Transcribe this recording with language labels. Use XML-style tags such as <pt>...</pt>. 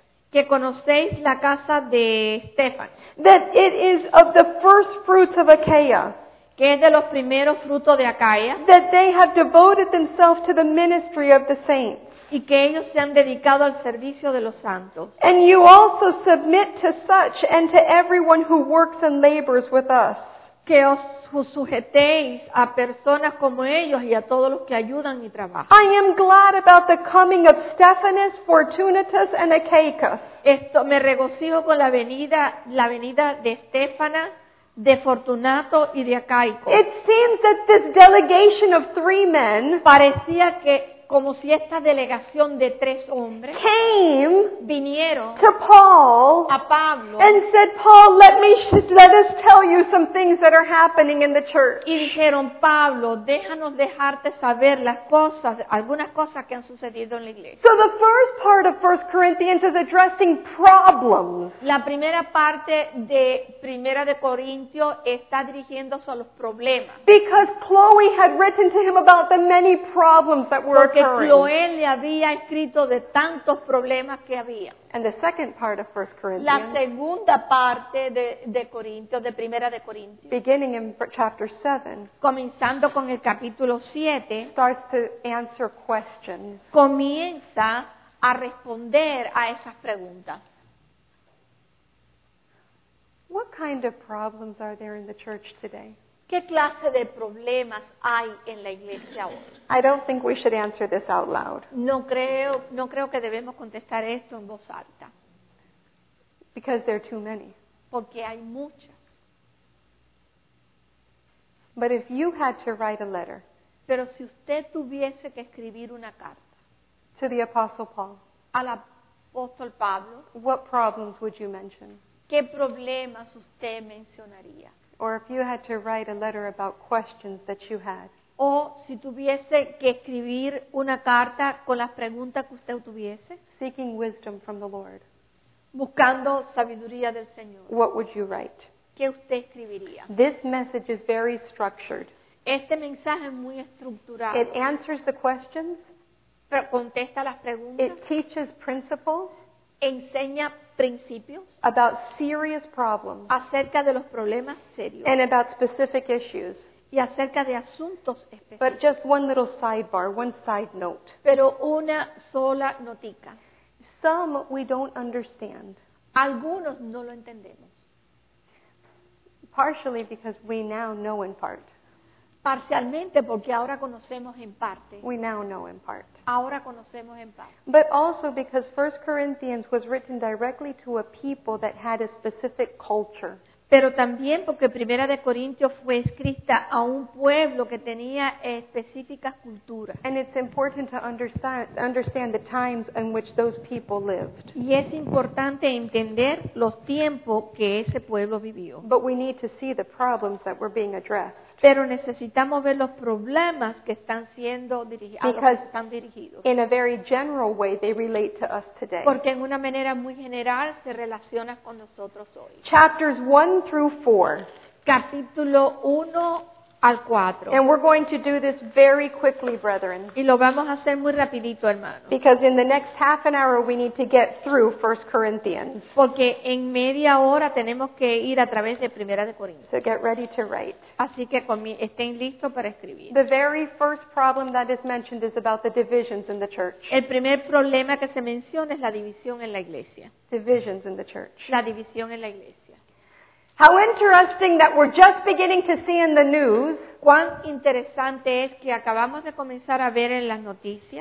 <es>Que conocéis la casa de Estefan.</es> <en>That it is of the first fruits of Achaia.</en> <es>Que es de los primeros frutos de Acaya.</es> <en>That they have devoted themselves to the ministry of the saints.</en> <es>Y que ellos se han dedicado al servicio de los santos.</es> <en>And you also submit to such and to everyone who works and labors with us.</en> <es>Que os sujetéis a personas como ellos y a todos los que ayudan y trabajan.</es> <en>I am glad about the coming of Stephanas, Fortunatus, and Achaicus.</en> <es>Esto me regocijo con la venida de Estefanas, de Fortunato y de Achaicus.</es> <en>It seems that this delegation of three men</en> <es>parecía que como si esta delegación de tres hombres</es> <en>came</en> <es>vinieron</es> <en>to Paul</en> <es>a Pablo</es> <en>and said, Paul, let us tell you some things that are happening in the church.</en> <es>Y dijeron, Pablo, déjanos dejarte saber las cosas, algunas cosas que han sucedido en la iglesia.</es> <en>So the first part of 1 Corinthians is addressing problems.</en> <es>La primera parte de Primera de Corintios está dirigiéndose a los problemas.</es> <en>Because Chloe had written to him about the many problems that were</en> <es>porque Chloe le había escrito de tantos problemas que había.</es> <en>And the second part of 1 Corinthians,</en> <es>la segunda parte de Corintios, de Primera de Corintios,</es> <en>beginning in chapter 7,</en> <es>comenzando con el capítulo 7,</es> <en>starts to answer questions.</en> <es>Comienza a responder a esas preguntas.</es> <en>What kind of problems are there in the church today?</en> <es>¿Qué clase de problemas hay en la iglesia hoy?</es> <en>I don't think we should answer this out loud.</en> <es>No creo que debemos contestar esto en voz alta.</es> <en>Because there are too many.</en> <es>Porque hay muchas.</es> <en>But if you had to write a letter.</en> <es>Pero si usted tuviese que escribir una carta.</es> <en>To the Apostle Paul.</en> <es>Al apóstol Pablo.</es> <en>What problems would you mention?</en> <es>¿Qué problemas usted mencionaría?</es> <en>Or if you had to write a letter about questions that you had.</en> <es>O si tuviese que escribir una carta con las preguntas que usted tuviese.</es> <en>Seeking wisdom from the Lord.</en> <es>Buscando sabiduría del Señor.</es> <en>What would you write?</en> <es>¿Qué usted escribiría?</es> <en>This message is very structured.</en> <es>Este mensaje es muy estructurado.</es> <en>It answers the questions.</en> <es>Pero contesta las preguntas.</es> <en>It teaches principles.</en> <es>Enseña principios</es> <en>about serious problems</en> <es>acerca de los problemas serios</es> <en>and about specific issues</en> <es>y acerca de asuntos específicos.</es> <en>But just one little sidebar, one side note.</en> <es>Pero una sola notica.</es> <en>Some we don't understand.</en> <es>Algunos no lo entendemos.</es> <en>Partially because we now know in part.</en> <es>Parcialmente porque ahora conocemos en parte.</es> <en>We now know in part.</en> <es>Ahora conocemos en parte.</es> <en>But also because 1 Corinthians was written directly to a people that had a specific culture.</en> <es>Pero también porque Primera de Corintios fue escrita a un pueblo que tenía específicas culturas.</es> <en>And it's important to understand the times in which those people lived.</en> <es>Y es importante entender los tiempos que ese pueblo vivió.</es> <en>But we need to see the problems that were being addressed.</en> <es>Pero necesitamos ver los problemas que están siendo dirigidos.</es> <en>In a very general way, they relate to us today.</en> <es>Porque en una manera muy general se relaciona con nosotros hoy.</es> <en>Chapters 1 through 4.</en> <es>Capítulo 1 al 4.</es> <en>And we're going to do this very quickly, brethren.</en> <es>Y lo vamos a hacer muy rapidito, hermano.</es> <en>Because in the next half an hour we need to get through 1 Corinthians.</en> <es>Porque en media hora tenemos que ir a través de Primera de Corintios.</es> <en>So get ready to write.</en> <es>Así que estén listos para escribir.</es> <en>The very first problem that is mentioned is about the divisions in the church.</en> <es>El primer problema que se menciona es la división en la iglesia.</es> <en>Divisions in the church.</en> <es>La división en la iglesia.</es> <en>How interesting that we're just beginning to see in the news.</en> <es>Cuán interesante es que acabamos de comenzar a ver en las noticias.</es>